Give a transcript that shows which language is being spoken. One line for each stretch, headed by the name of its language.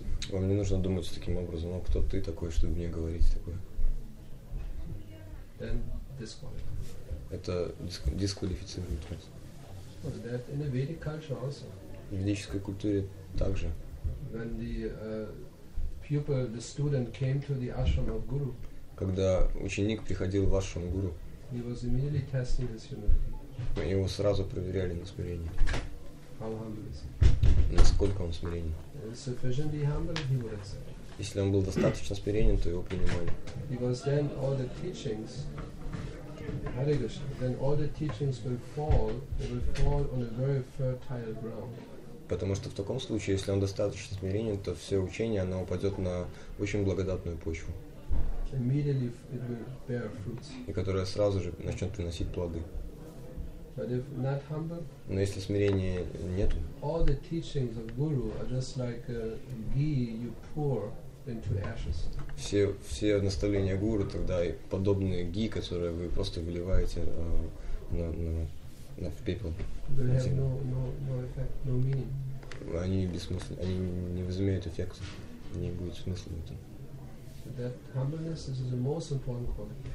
Russian: Вам не нужно думать таким образом, а кто ты такой, чтобы мне говорить такое.
English: Then disqualify.
Russian: Это дисквалифицирует вас.
English: In a Vedic culture also.
Russian: В ведической культуре также.
English: When the pupil, the student came to the ashram of guru.
Russian: Когда ученик приходил в ашрам гуру.
English: He was immediately testing his humility.
Russian: Его сразу проверяли на смирение.
English: How humble is he?
Russian: Насколько он смиренен?
English: Sufficiently humble, he would accept.
Russian: Если он был достаточно смиренен, то его принимали.
English: Because then all the teachings, Hare Krishna, then all the teachings will fall. They will fall on a very fertile ground.
Russian: Потому что в таком случае, если он достаточно смиренен, то все учение, оно упадет на очень благодатную почву.
English: Immediately it will bear fruits.
Russian: И которая сразу же начнет приносить плоды.
English: But if not humble,
Russian: но если смирения нету,
English: all the teachings of guru are just like ghee you pour into ashes.
Russian: Все наставления гуру тогда и подобные ги, которые вы просто выливаете на пепел.
English: They have no effect, no meaning.
Russian: Они бессмысленны, они не возымеют эффекта, не будет смысла в этом.
English: That humbleness is the most important quality.